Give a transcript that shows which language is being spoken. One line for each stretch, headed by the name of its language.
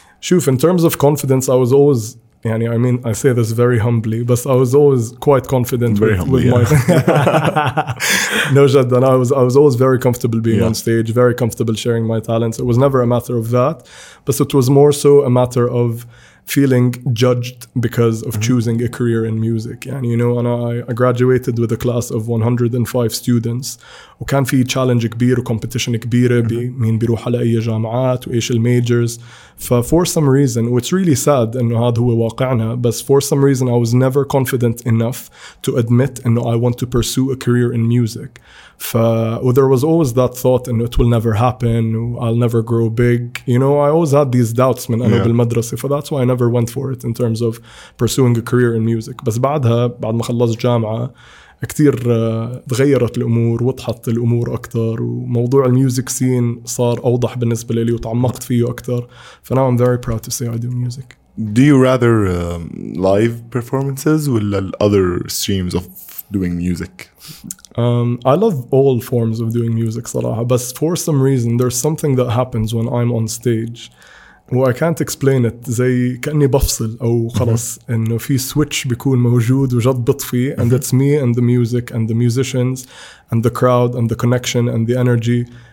English: Shuf, in terms of confidence, I was always, يعني, I mean, I say this very humbly, but I was always quite confident No, Jaddan, I was always very comfortable being on stage, very comfortable sharing my talents. It was never a matter of that, but it was more so a matter of feeling judged because of choosing a career in music. And, you know, and I graduated with a class of 105 students.
Arabic: وكان في challenge كبير وcompetition كبيرة بمين بيروح على أي جامعات وإيش الmajors.
English: For some reason, it's really sad
Arabic: إنه هذا هو واقعنا,
English: but for some reason, I was never confident enough to admit إنه I want to pursue a career in music. There was always that thought إنه it will never happen, I'll never grow big. You know, I always had these doubts
Arabic: من أنا بالمدرسة,
English: that's why I never went for it in terms of pursuing a career in music.
Arabic: بس بعدها, بعد ما خلص جامعة, كتير تغيرت الأمور وضحت الأمور أكتر وموضوع الميوزك سين صار أوضح بالنسبة لي وتعمقت فيه أكتر.
English: فnow I'm very proud to say I do music. Do you rather live performances ولا other streams of doing music? I love all forms of doing music صراحة, but for some reason there's something that happens when I'm on stage. Well, I can't explain it.
Arabic: زي كأني بفصل أو خلاص إنه في switch بيكون موجود وجد بطفي,
English: and it's me and the music and the musicians and the crowd and the connection and the energy.